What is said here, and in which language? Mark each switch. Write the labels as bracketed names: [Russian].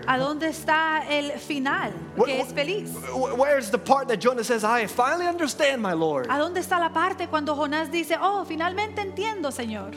[Spanish] ¿A dónde está el final que es feliz? [English] Where's the part that Jonah says, I finally understand, my Lord? [Spanish] ¿A dónde está la parte cuando Jonás dice, oh, finalmente entiendo, Señor?